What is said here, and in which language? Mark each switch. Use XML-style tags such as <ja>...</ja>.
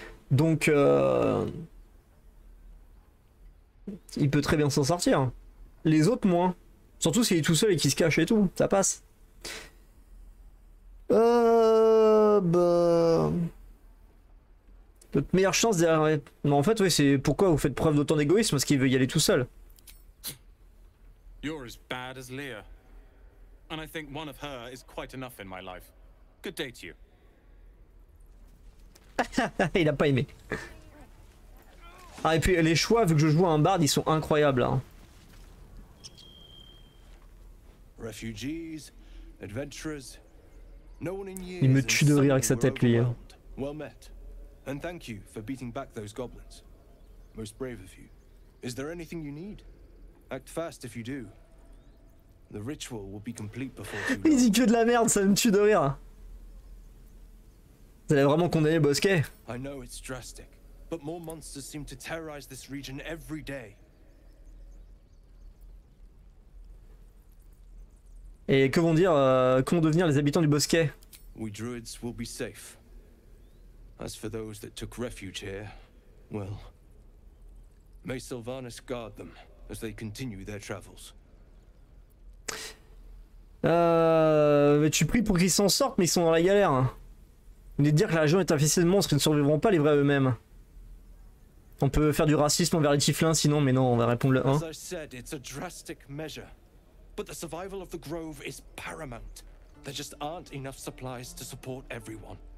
<fr>Donc, il peut très bien s'en sortir. Les autres, moins. Surtout s'il est tout seul et qu'il se cache et tout. Ça passe. Notre meilleure chance derrière... Non, en fait, oui, c'est pourquoi vous faites preuve d'autant d'égoïsme, parce qu'il veut y aller tout seul.</fr> <en>You're as bad as Leah. And I think one of her is quite enough in my life. Good day to you.</en> <fr>Il a pas aimé. Ah, et puis les choix, vu que je joue à un barde, ils sont incroyables. Hein.</fr> <en>Refugees, adventurers. No one in years.</en> <fr>Il me tue de rire avec sa tête, lui. Hein.</fr> <en>Well met. And thank you for beating back those goblins. Most brave of you. Is there anything you need? Act fast if you do. The ritual will be complete before too long.</en> <fr>Il dit que de la merde, ça me tue de rire. Vous allez vraiment condamner le bosquet?</fr> <en>I know it's drastic, but more monsters seem to terrorize this region every day.</en> <fr>Et que vont dire, qu'ont devenir les habitants du bosquet?</fr> <en>We druids will be safe. As for those that took refuge here, well, may Sylvanas guard them as they continue their travels.</en> <fr>Mais tu pries pour qu'ils s'en sortent, mais ils sont dans la galère. Hein. De dire que la région est infestée de monstres qui ne survivront pas livrés à eux-mêmes. On peut faire du racisme envers les tiflins sinon, mais non, on va répondre le 1.</fr> <en>As I said, it's a drastic measure. But the survival of the grove is paramount. There just aren't enough supplies to support everyone.</en>